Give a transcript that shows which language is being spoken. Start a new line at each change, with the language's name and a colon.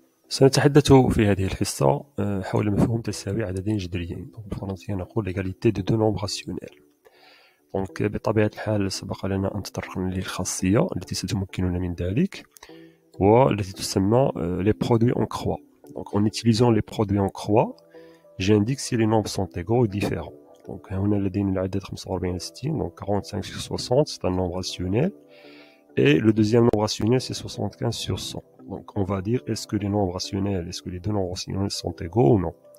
Arabic: سنتحدث في هذه الحصة حول مفهوم تساوي عددين جذريين. بالفرنسية نقول
French: l'égalité de deux nombres rationnels.
Arabic: دونك بطبيعة الحال سبق لنا أن تطرقنا للخاصية التي ستمكننا من ذلك والتي تسمى
French: les produits en croix. Donc en utilisant les produits en croix, j'indique si les nombres sont égaux ou différents. Donc
Arabic: هنا لدينا العدد 45 على 60,
French: donc 45 sur 60, c'est un nombre rationnel. Et le deuxième nombre rationnel, c'est 75 sur 100. Donc, on va dire, est-ce que les nombres rationnels, est-ce que les deux nombres rationnels sont égaux ou non?